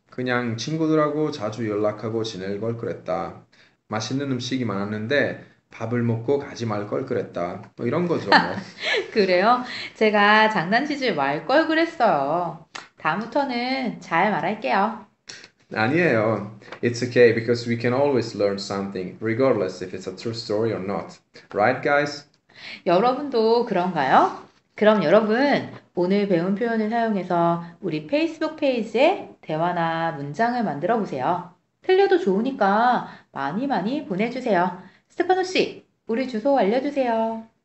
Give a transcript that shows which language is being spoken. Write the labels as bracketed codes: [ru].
[ko] 그냥 친구들하고 자주 연락하고 지낼 걸 그랬다. 맛있는 음식이 많았는데 밥을 먹고 가지 말걸 그랬다. 뭐 이런 거죠, 뭐. 그래요? 제가 장난치지 말걸 그랬어요. 다음부터는 잘 말할게요. 아니에요. [en] It's okay because we can always learn something, regardless if it's a true story or not. Right, guys? [ko] 여러분도 그런가요? 그럼 여러분, 오늘 배운 표현을 사용해서 우리 페이스북 페이지에 대화나 문장을 만들어 보세요. 틀려도 좋으니까 많이 많이 보내주세요. 스테파노 씨, 우리 주소 알려주세요.